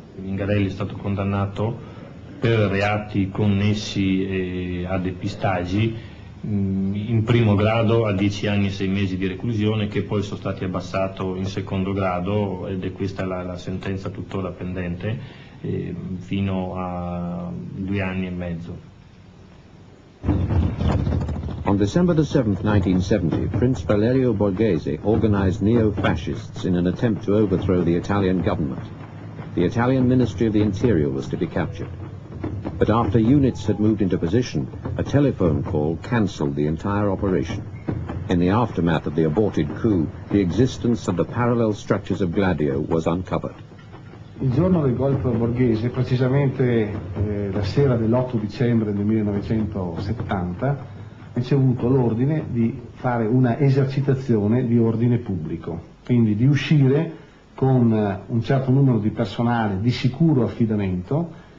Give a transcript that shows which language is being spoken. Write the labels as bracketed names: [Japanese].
[Italian] Mingarelli è stato condannato per reati connessi a depistaggi, in primo grado a 10 anni e 6 mesi di reclusione, che poi sono stati abbassati in secondo grado, ed è questa la sentenza tuttora pendente, fino a 2 anni e mezzo. [English] On December the 7th, 1970, Prince Valerio Borghese organized neo-fascists in an attempt to overthrow the Italian government. The Italian Ministry of the Interior was to be captured. But after units had moved into position, a telephone call cancelled the entire operation. In the aftermath of the aborted coup, the existence of the parallel structures of Gladio was uncovered. [Italian] Il giorno del golpe Borghese, precisamente la sera dell'8 dicembre del 1970, ricevuto l'ordine di fare una esercitazione di ordine pubblico, quindi di uscire con un certo numero di personale di sicuro affidamento.